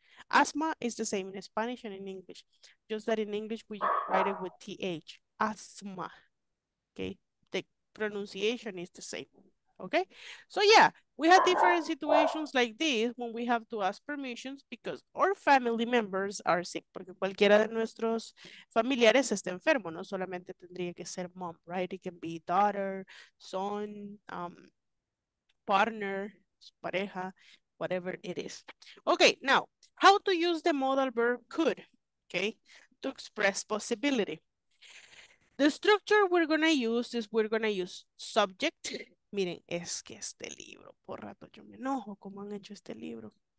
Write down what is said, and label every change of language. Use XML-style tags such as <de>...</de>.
<en>Asthma is the same in Spanish and in English. Just that in English, we write it with TH. Asthma. Okay. The pronunciation is the same. Okay. So yeah. We have different situations like this when we have to ask permissions because our family members are sick.</en> <es>Porque cualquiera de nuestros familiares está enfermo, no solamente tendría que ser mom, right?</es> <en>It can be daughter, son, partner, pareja, whatever it is. Okay, now, how to use the modal verb could, okay, to express possibility. The structure we're going to use is we're going to use subject.</en> <es>Miren, es que este libro, por rato yo me enojo cómo han hecho este libro.</es>